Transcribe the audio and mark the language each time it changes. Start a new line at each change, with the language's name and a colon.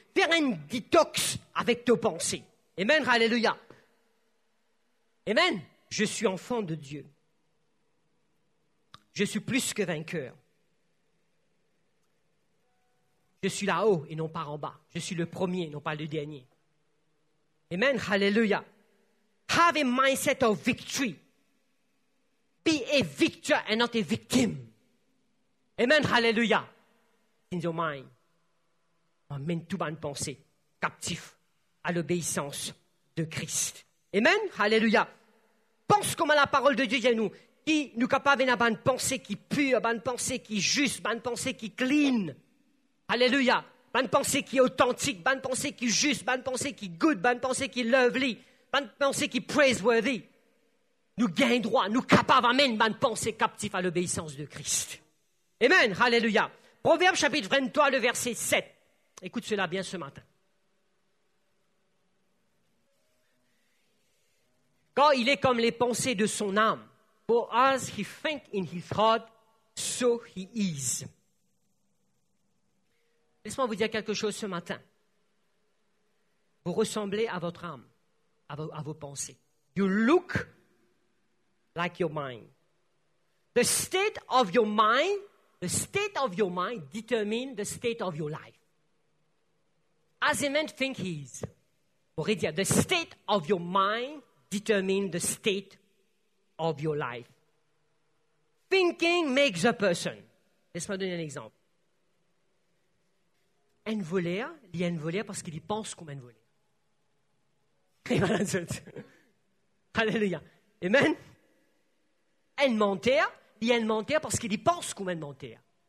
French: Faire un détox avec tes pensées. Amen, alléluia. Amen. Je suis enfant de Dieu. Je suis plus que vainqueur. Je suis là-haut et non pas en bas. Je suis le premier, non pas le dernier. Amen. Hallelujah.
English: Have a mindset of victory. Be a victor and not a victim. Amen. Hallelujah. In your mind.
French: Amène tout bonne pensée captif à l'obéissance de Christ. Amen. Hallelujah. Pense comment la parole de Dieu dit à nous. Qui nous capable d'avoir une pensée qui pure, une pensée qui juste, une pensée qui clean. Alléluia. Une pensée qui authentique, une pensée qui juste, une pensée qui good, une pensée qui lovely, une pensée qui praiseworthy. Nous gagnons droit, nous capables d'amener une pensée captive à l'obéissance de Christ. Amen. Alléluia. Proverbe chapitre 23, le verset 7. Écoute cela bien ce matin. Quand il est comme les pensées de son âme.
English: For as he thinks in his heart, so he is.
French: Laisse-moi vous dire quelque chose ce matin. Vous ressemblez à votre âme, à vos pensées.
English: You look like your mind. The state of your mind, the state of your mind determines the state of your life. As a man thinks he is.
French: Vous pourrez dire,
English: the state of your mind determine the state of your life. Thinking makes a person.
French: Laisse-moi donner un exemple. Un voleur, il y a un voleur parce qu'il pense comme un voleur. Amen. Alléluia. Amen. Un menteur, il y a un menteur parce qu'il pense comme un menteur.